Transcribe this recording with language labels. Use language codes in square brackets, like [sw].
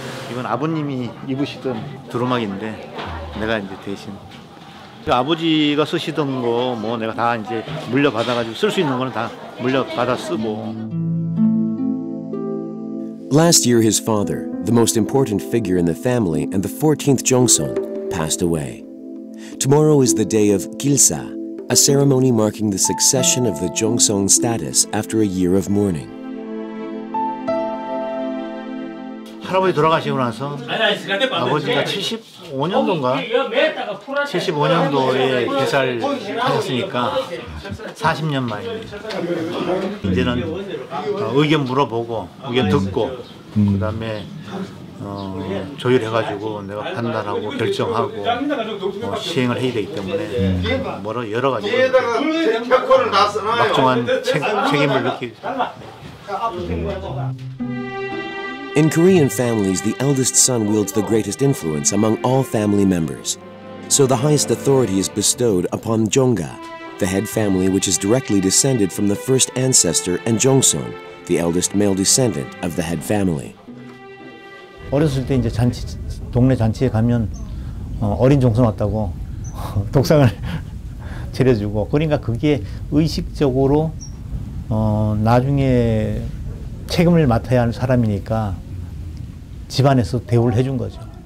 [ko] 이건 아버님이 입으시던 두루마기인데 내가 이제 대신 아버지가 쓰시던 거 뭐 내가 다 이제 물려받아가지고 쓸 수 있는 거는 다 물려받아 쓰고. [en] Last year, his father, the most important figure in the family and the 14th Jongseon, passed away. Tomorrow is the day of Gilsa, a ceremony marking the succession of the Jongseon status after a year of mourning. [ko] 할아버지 돌아가시고 나서 아버지가 75년도인가? 75년도에 기사를 하셨으니까 40년 만입니다. 이제는 의견 물어보고, 의견 듣고, 그 다음에 조율해가지고 내가 판단하고 결정하고 시행을 해야 되기 때문에 뭐라 여러 가지 막중한 책임을 느끼고 [en] In Korean families, the eldest son wields the greatest influence among all family members. So the highest authority is bestowed upon Jongga, the head family which is directly descended from the first ancestor and Jongseon, the eldest male descendant of the head family. [ko] 어렸을 때 이제 잔치 동네 잔치에 가면 어린 종손 왔다고 독상을 차려주고 그러니까 그게 의식적으로 나중에 책임을 맡아야 하는 사람이니까 집안에서 대우를 해준 거죠.